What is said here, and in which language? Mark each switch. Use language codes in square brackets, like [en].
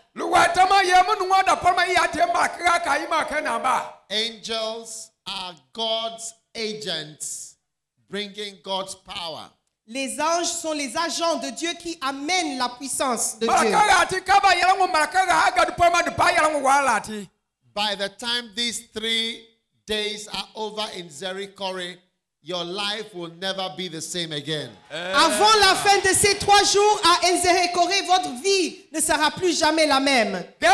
[en] Angels are God's agents bringing God's power. [fr] Les anges sont les agents de Dieu qui amènent la puissance de Dieu. [en] By the time these 3 days are over in Nzerekore, your life will never be the same again. [fr] Avant la fin de ces 3 jours à Nzerekore, votre vie ne sera plus jamais la même.